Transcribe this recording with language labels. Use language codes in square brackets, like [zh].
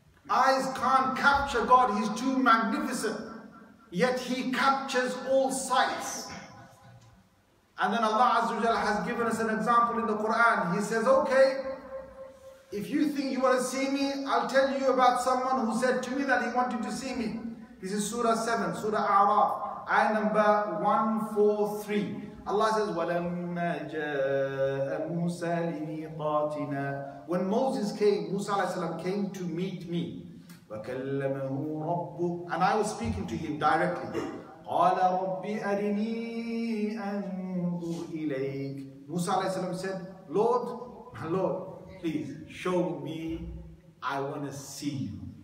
[en] Eyes can't capture God, He's too magnificent. Yet He captures all sights. And then Allah Azza wa Jalla has given us an example in the Quran. He says, okay, if you think you want to see me, I'll tell you about someone who said to me that he wanted to see me. This is Surah 7, Surah A'raf, ayah number 143. Allah says, [ar] وَلَمَّا جَاءَ مُوسَى لِمِيقَاتِنَا. [en] When Moses came, Musa alayhi salam came to meet me. [ar] وَكَلَّمَهُ رَبُّهُ. [en] And I was speaking to him directly. [ar] قَالَ رَبِّ أَرِنِي أَنْظُرْ إِلَيْكَ. [en] Musa alayhi salam said, Lord, my Lord, please show me, I want to see you.